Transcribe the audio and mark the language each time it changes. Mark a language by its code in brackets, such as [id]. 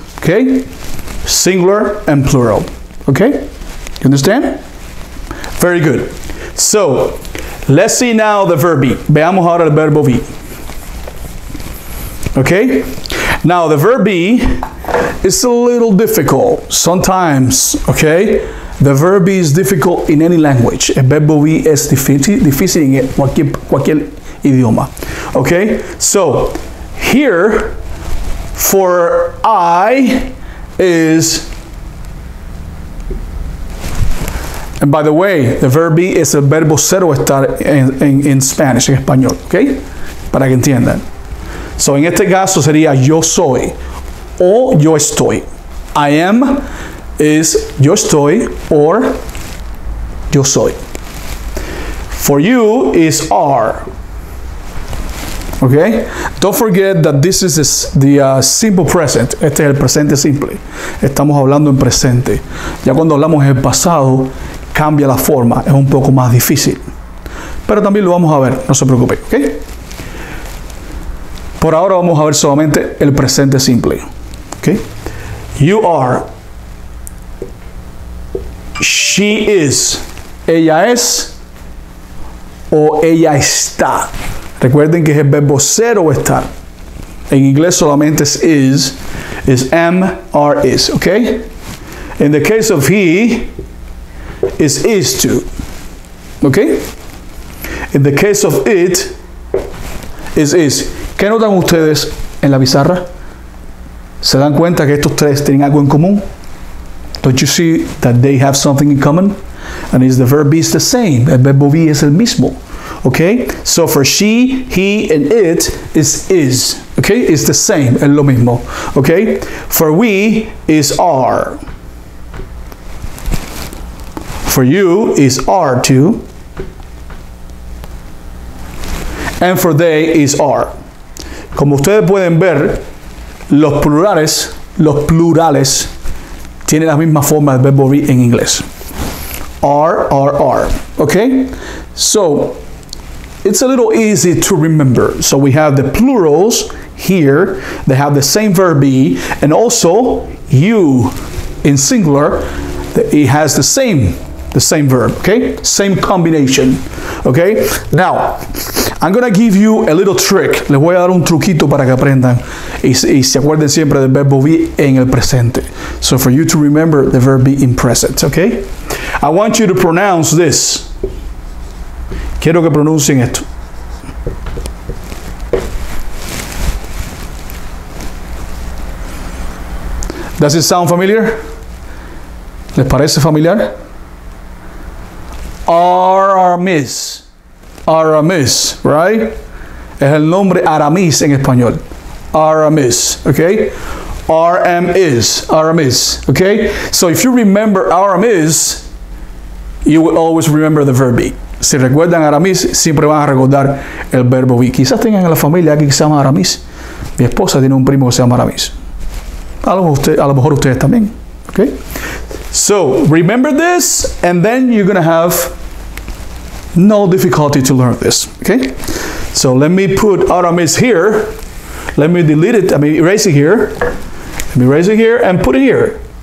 [en] Okay, singular and plural. Okay, you understand? Very good. So, let's see now the verb be. [es] Veamos ahora el verbo be. Okay. [en] Now, the verb be is a little difficult sometimes, okay? The verb be is difficult in any language. [es] El verbo be es difícil en cualquier idioma, okay? [en] So, here, for I is... And by the way, the verb be is [es] el verbo ser o estar [en] in Spanish, [es] en español, [en] okay? [es] Para que entiendan. So, en este caso sería yo soy o yo estoy. [en] I am is [es] yo estoy [en] or [es] yo soy. [en] For you is are. Okay? Don't forget that this is the simple present. [es] Este es el presente simple. Estamos hablando en presente. Ya cuando hablamos en pasado, cambia la forma. Es un poco más difícil. Pero también lo vamos a ver. No se preocupe. Okay? Por ahora vamos a ver solamente el presente simple. [en] Okay? You are. She is. [es] Ella es. O ella está. Recuerden que es el verbo ser o estar. En inglés solamente es is. [en] Is am, are, is. [es] Okay? [en] In the case of he, is to. Okay? In the case of it, is. [es] ¿Qué notan ustedes en la pizarra? ¿Se dan cuenta que estos tres tienen algo en común? [en] Don't you see that they have something in common? And is the verb be the same? [es] El verbo be es el mismo. [en] Okay? So for she, he, and it is. Okay? It's the same. [es] Es lo mismo. [en] Okay? For we is are. For you is are too. And for they is are. [es] Como ustedes pueden ver, los plurales tienen la misma forma del verbo be en inglés. [en] Are. Okay? So, it's a little easy to remember. So we have the plurals here. They have the same verb be, and also you in singular, it has the same verb, okay? Same combination, okay? Now, I'm gonna give you a little trick. [es] Les voy a dar un truquito para que aprendan y se acuerden siempre del verbo be en el presente. [en] So for you to remember the verb be in present, okay? I want you to pronounce this. [es] Quiero que pronuncien esto. [en] Does it sound familiar? [es] ¿Les parece familiar? [en] Aramis. Aramis, right? [es] Es el nombre Aramis en español. Aramis, okay? [en] R-M-I-S, Aramis, okay? So if you remember Aramis, you will always remember the verb be. [es] Si recuerdan Aramis, siempre van a recordar el verbo be. Quizás tengan en la familia alguien que se llama Aramis. Mi esposa tiene un primo que se llama Aramis. A lo mejor ustedes también, okay? [en] So, remember this, and then you're going to have no difficulty to learn this, okay? So, let me put Aramis here. Let me erase it here. Let me erase it here and put it here.